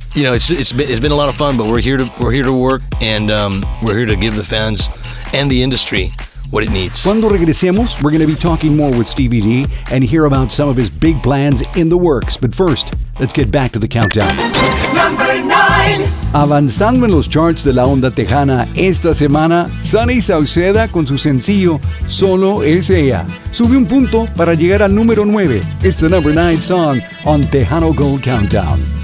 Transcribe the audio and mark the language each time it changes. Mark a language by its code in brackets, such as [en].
[en] You know, it's been a lot of fun. But we're here to work, and we're here to give the fans and the industry what it needs. [es] Cuando regresemos, [en] we're going to be talking more with Stevie D and hear about some of his big plans in the works. But first, let's get back to the countdown. Number 9. [es] Avanzando en los charts de la onda tejana esta semana, Sunny Sauceda con su sencillo Solo Es Ella. Sube un punto para llegar al número 9. [en] It's the number 9 song on Tejano Gold Countdown.